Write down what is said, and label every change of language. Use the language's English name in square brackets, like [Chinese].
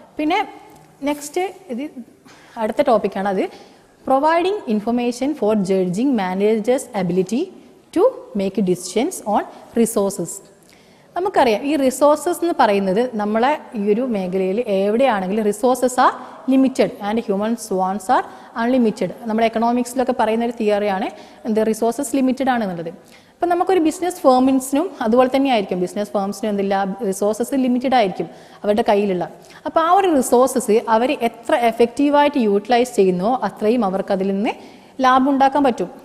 [English] പിന്നെ നെക്സ്റ്റ് [Malayalam] ഇത് അടുത്ത ടോപ്പിക്കാണ്, അത് [English] Providing information for judging managers ability to make decisions on resources. [Malayalam] നമുക്കറിയാം ഈ റിസോഴ്സസ് എന്ന് പറയുന്നത് നമ്മളെ ഈ ഒരു മേഖലയിൽ എവിടെയാണെങ്കിലും [English] Resources are limited and humans wants are unlimited. [Malayalam] നമ്മുടെ എക്കണോമിക്സിലൊക്കെ പറയുന്ന ഒരു തിയറിയാണ് ദ റിസോഴ്സസ് ലിമിറ്റഡ് ആണെന്നുള്ളത്. അപ്പം നമുക്കൊരു ബിസിനസ് ഫേമിൻസിനും അതുപോലെ തന്നെയായിരിക്കും, ബിസിനസ് ഫേംസിനും എന്തില്ല, റിസോഴ്സസ് ലിമിറ്റഡ് ആയിരിക്കും അവരുടെ കയ്യിലുള്ള. അപ്പോൾ ആ ഒരു റിസോഴ്സസ് അവർ എത്ര എഫക്റ്റീവായിട്ട് യൂട്ടിലൈസ് ചെയ്യുന്നോ അത്രയും അവർക്കതിൽ നിന്ന് ലാഭം ഉണ്ടാക്കാൻ പറ്റും.